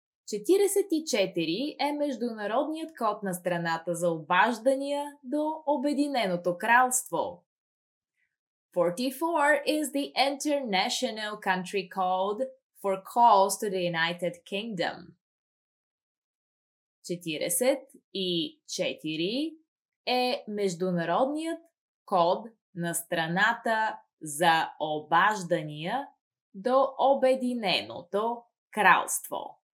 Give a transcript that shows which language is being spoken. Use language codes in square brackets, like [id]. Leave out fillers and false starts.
[bg] 44 е международният код на страната за обаждания до Обединеното кралство. [en] 44 is the international country code for calls to the United Kingdom. [bg] 44 е международният код на страната за обаждания до Обединеното кралство.